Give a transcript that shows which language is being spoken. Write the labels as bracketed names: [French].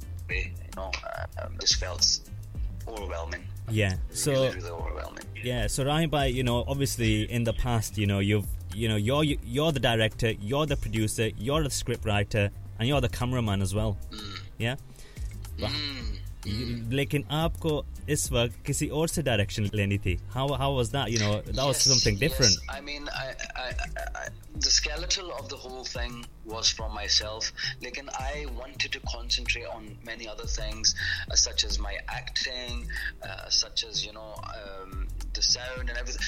[English] You know, this felt overwhelming. Yeah. So really overwhelming. Yeah. So Rahim Bhai, you know, obviously in the past, you know, you're the director, you're the producer, you're the script writer, and you're the cameraman as well. Mm. Yeah. But, [Urdu] لیکن آپکو اس وقت کسی اور سے direction لینی تھی. [English] How was that? You know, that yes, was something different. Yes. I mean, I the skeletal of the whole thing was from myself. Lekin I wanted to concentrate on many other things, such as my acting, such as, you know, the sound and everything.